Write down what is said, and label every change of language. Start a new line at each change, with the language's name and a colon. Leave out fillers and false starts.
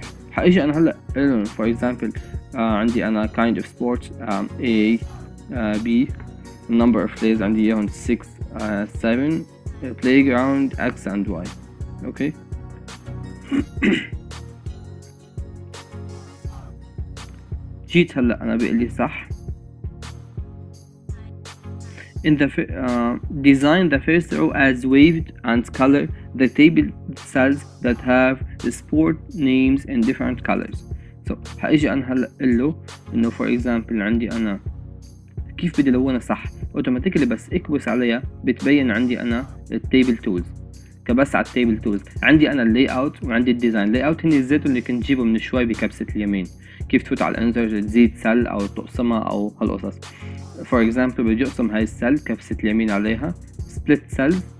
Arabic: حيجي انا هلا قلن
English: for example
Arabic: عندي انا
English: kind of sports A B number of plays
Arabic: عندي اياهم 6 7 playground X and Y، اوكي؟ جيت هلا انا بيقلي صح،
English: in the design the first row as waved and color the table cells that have the sport names in different colors.
Arabic: So هيجي أنا هلا إله إنه
English: for example
Arabic: عندي أنا كيف بدي لونه صح automatically بس اكبس عليها بتبين عندي أنا table tools كبس على table tools عندي أنا layout وعندي design layout هني الزيت اللي كنت جيبه من شوي بكبسة اليمين كيف تفوت على الانزر تزيد سل او تقسمها او هالقصص for example بدي اقسم هاي السل كبسة اليمين عليها split cells